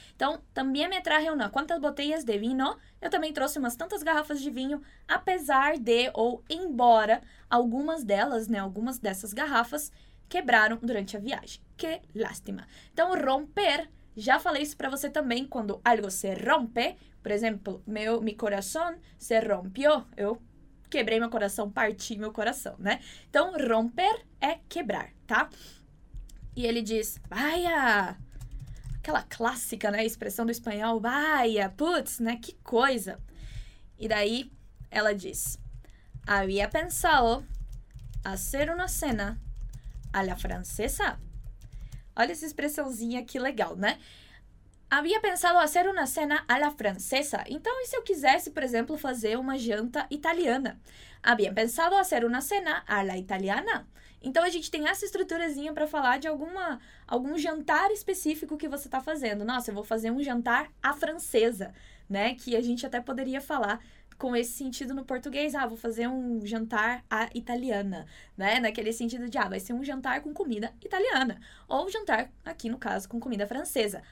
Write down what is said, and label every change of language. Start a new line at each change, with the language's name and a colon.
Portuguese: Então,
Spanish: também me traje una quantas botellas de vino?
Portuguese: Eu também trouxe umas tantas garrafas de vinho, apesar de ou embora algumas delas, né? Algumas dessas garrafas quebraram durante a viagem. Que lástima. Então, romper, já falei isso para você também, quando algo se rompe.
Spanish: Por exemplo, mi corazón se rompió.
Portuguese: Eu quebrei meu coração, parti meu coração, né? Então, romper é quebrar, tá? E ele diz, vaya! Aquela clássica, né? Expressão do espanhol, vaya, putz, né? Que coisa! E daí, ela diz,
Spanish: había pensado hacer una cena a la francesa.
Portuguese: Olha essa expressãozinha, que legal, né?
Spanish: Havia pensado hacer una cena a la francesa.
Portuguese: Então, e se eu quisesse, por exemplo, fazer uma janta italiana?
Spanish: Había pensado hacer una cena a la italiana.
Portuguese: Então, a gente tem essa estruturazinha para falar de algum jantar específico que você está fazendo. Nossa, eu vou fazer um jantar à francesa, né? Que a gente até poderia falar com esse sentido no português. Ah, vou fazer um jantar à italiana, né? Naquele sentido de, ah, vai ser um jantar com comida italiana. Ou jantar, aqui no caso, com comida francesa.